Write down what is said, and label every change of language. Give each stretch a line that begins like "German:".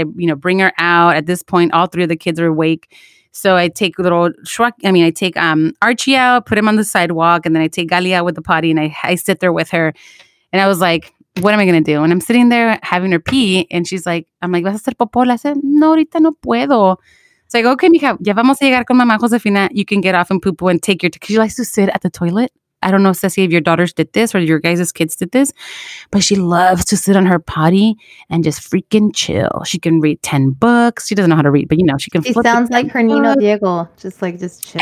English: I, you know, bring her out. At this point, all three of the kids are awake. So I take Archie out, put him on the sidewalk, and then I take Gali out with the potty, and I sit there with her. And I was like, what am I going to do? And I'm sitting there having her pee, and she's like, I'm like,
Spanish: ¿vas a hacer popó?
English: I said,
Spanish: no, ahorita no puedo.
English: So I go, okay,
Spanish: mija, ya vamos a llegar con mamá Josefina.
English: You can get off and poopoo and take your, because she likes to sit at the toilet. I don't know, Ceci, if your daughters did this or your guys' kids did this, but she loves to sit on her potty and just freaking chill. She can read 10 books. She doesn't know how to read, but, you know, she can flip. She sounds like her Nino Diego, just chill.